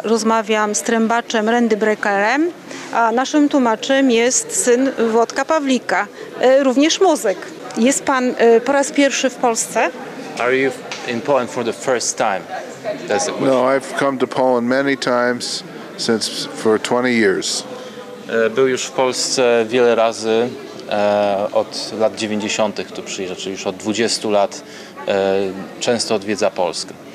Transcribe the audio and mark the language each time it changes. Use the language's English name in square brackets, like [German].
[Polish] Rozmawiam z trębaczem Randy Breckerem, a naszym tłumaczem jest syn Włodka Pawlika, również muzyk. Jest Pan po raz pierwszy w Polsce? [English] Are you in Poland for the first time? That's the question. No, I've come to Poland many times since for 20 years. [Polish] Był już w Polsce wiele razy od lat 90. tu przyjeżdża, czyli już od 20 lat często odwiedza Polskę.